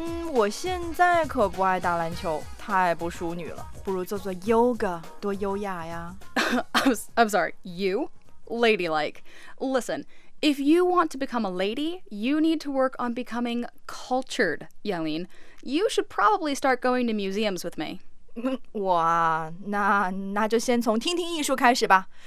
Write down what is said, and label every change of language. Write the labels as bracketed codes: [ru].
[zh] 我现在可不爱打篮球，太不淑女了，不如做做 yoga, 多优雅呀。 [en] I'm sorry, you? Ladylike. Listen, if you want to become a lady, you need to work on becoming cultured, Yelene. You should probably start going to museums with me. [zh] 哇，那就先从听听艺术开始吧。